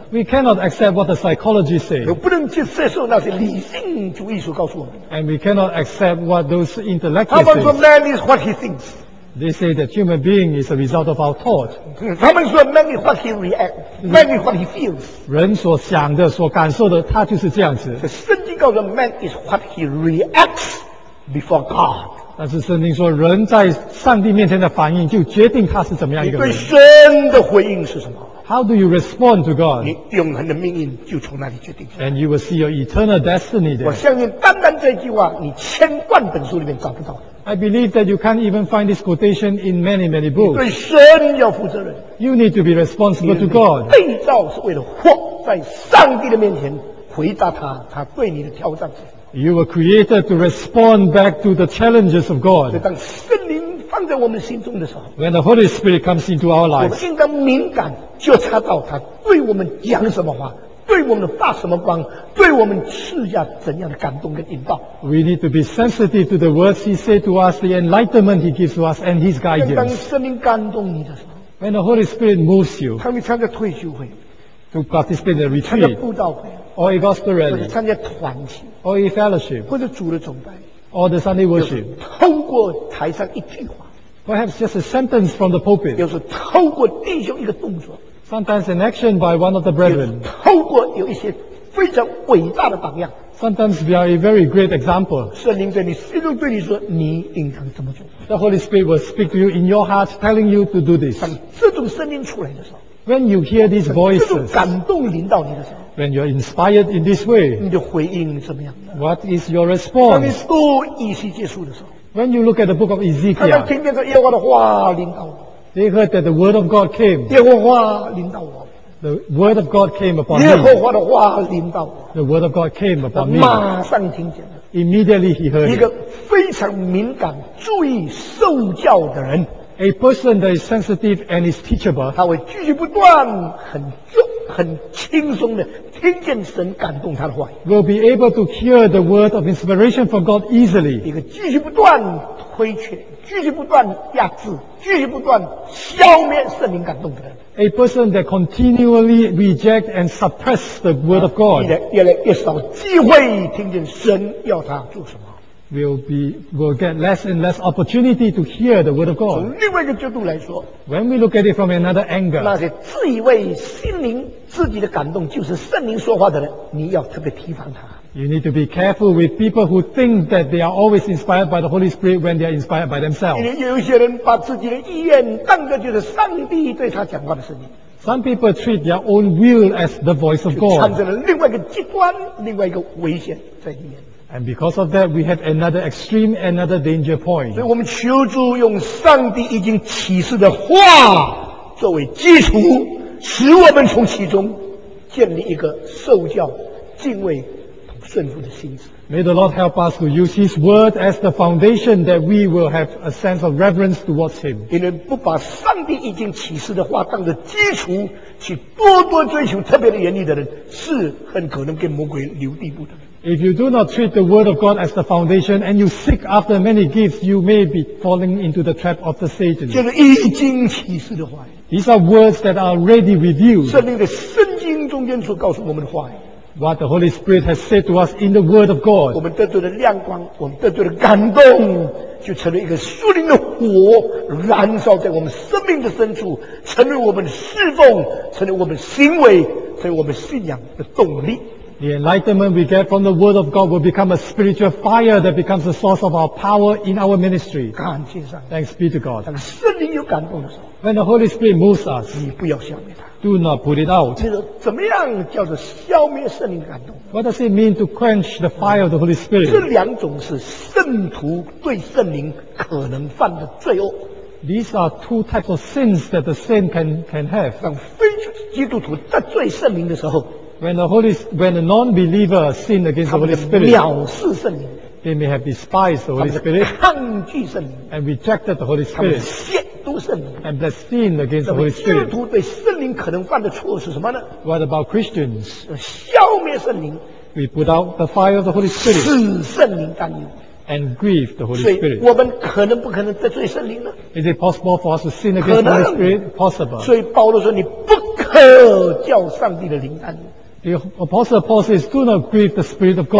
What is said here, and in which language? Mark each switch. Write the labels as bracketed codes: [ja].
[en] We cannot accept what the psychology says. [zh] 我不能接受那些理性主义所告诉我们。 [en] And we cannot accept what those intellectuals say. [zh] 他们说 [en] man is what he thinks. They say that human being is a result of our thought. [zh] 他们说 [en] man is what he reacts. Man is what he feels. [zh] 人所想的、所感受的，他就是这样子。圣经告诉 man is what he reacts before God. 但是圣经说，人在上帝面前的反应就决定他是怎么样一个人。你对神的回应是什么 [en] ？How do you respond to God？ [zh] 你永恒的命运就从那里决定。 [en] And you will see your eternal destiny there。 [zh] 我相信，单单这句话，你千万本书里面找不到。 [en] I believe that you can't even find this quotation in many, many books。 [zh] 你对神要负责任。 [en] You need to be responsible to God。 [zh] 被造是为了活在上帝的面前，回答他，他对你的挑战。 [en] You were created to respond back to the challenges of God. [zh] 当圣灵放在我们心中的时候 [en] ，When the Holy Spirit comes into our lives, [zh] 我们应当敏感觉察到他对我们讲什么话，对我们发什么光，对我们赐下怎样的感动跟引导。 [en] We need to be sensitive to the words He said to us, the enlightenment He gives to us, and His guidance. [zh] 当圣灵感动你的时候 [en] ，When the Holy Spirit moves you, [zh] 他们参加退休会 [en] ，to participate in a retreat, [zh] 参加布道会。 [en] Or a gospel rally, [zh] 或者参加团体 [en] or a fellowship, [zh] 或者主的崇拜 [en] or the Sunday worship, [zh] 就是通过台上一句话 [en] perhaps just a sentence from the pulpit, [zh] 就是通过弟兄一个动作 [en] sometimes an action by one of the brethren, [zh] 就是通过有一些非常伟大的榜样 [en] sometimes we are a very great example, [zh] 圣灵在你心中对你说你应当怎么做 [en] the Holy Spirit will speak to you in your heart telling you to do this, [zh] 当这种声音出来的时候 [en] when you hear these voices, [zh] 这种感动临到你的时候 [en] When you are inspired in this way, [zh] 你的回应怎么样 [en] What is your response? [zh] 当你读以西结书的时候 [en] When you look at the book of Ezekiel, [zh] 刚刚听见耶和华的话临到我 [en] They heard that the word of God came. [zh] 耶和华临到我 [en] The word of God came upon [zh] 耶和华的话临到我 [en] The word of God came upon me. [zh] 马上听见了 [en] Immediately he heard. [zh] 一个非常敏感、注意受教的人 [en] A person that is sensitive and is teachable. [zh] 他会句句不断，很重。很轻松的听见神感动他的话 [en] will be able to hear the word of inspiration from God easily [zh] 一个继续不断推却继续不断压制继续不断消灭圣灵感动的人 [en] a person that continually reject and suppress the word of God [zh] 越来越少机会听见神要他做什么 [en] will get less and less opportunity to hear the word of God [zh] 从另外一个角度来说 [en] When we look at it from another angle, [zh] 那些自以为心灵自己的感动就是圣灵说话的人，你要特别提防他。 [en] You need to be careful with people who think that they are always inspired by the Holy Spirit when they are inspired by themselves. [zh] 因为有些人把自己的意愿当作就是上帝对他讲话的声音。 [en] Some people treat their own will as the voice of God. [zh] 产生了另外一个极端，另外一个危险在里面。 [en] And because of that, we have another extreme, another danger point. [zh] 所以我们求主用上帝已经启示的话作为基础，使我们从其中建立一个受教、敬畏、顺服的心智。 [en] May the Lord help us to use His word as the foundation that we will have a sense of reverence towards Him. [zh] 因为不把上帝已经启示的话当作基础，去多多追求特别的原理的人，是很可能给魔鬼留地步的。 [en] If you do not treat the word of God as the foundation and you seek after many gifts, you may be falling into the trap of the Satan. [zh] 就是已经启示的话语。 [en] These are words that are already revealed. [zh] 圣灵的圣经中间所告诉我们的话语。 [en] What the Holy Spirit has said to us in the word of God. [zh] 我们得到的亮光，我们得到的感动，就成了一个属灵的火，燃烧在我们生命的深处，成为我们侍奉，成为我们行为，成为我们信仰的动力。 [en] The enlightenment we get from the word of God will become a spiritual fire that becomes the source of our power in our ministry. [zh] 感谢上帝。 [en] Thanks be to God. [zh] 当圣灵有感动的时候 [en] When the Holy Spirit moves us, [zh] 你不要消灭它。 [en] Do not put it out. [zh] 你说怎么样叫做消灭圣灵感动？ [en] What does it mean to quench the fire of the Holy Spirit? [zh] 这两种是圣徒对圣灵可能犯的罪恶。 [en] These are two types of sins that the saint can have. [zh] 当非基督徒得罪圣灵的时候 [en] When a non-believer sin against the Holy Spirit, [zh] 藐视圣灵 [en] they may have despised the Holy Spirit, [zh] 抗拒圣灵 [en] and rejected the Holy Spirit, [zh] 亵渎圣灵 [en] and blasphemed against the Holy Spirit. [zh] 基督徒对圣灵可能犯的错是什么呢 [en] What about Christians? [zh] 消灭圣灵 [en] We put out the fire of the Holy Spirit. [zh] 使圣灵担忧 [en] and grieve the Holy Spirit. [zh] 我们可能不可能得罪圣灵呢？ [en] Is it possible for us to sin against the Holy Spirit? Possible. [zh] 所以保罗说你不可叫上帝的灵担。 [en] The Apostle Paul says, do not grieve the Spirit of God.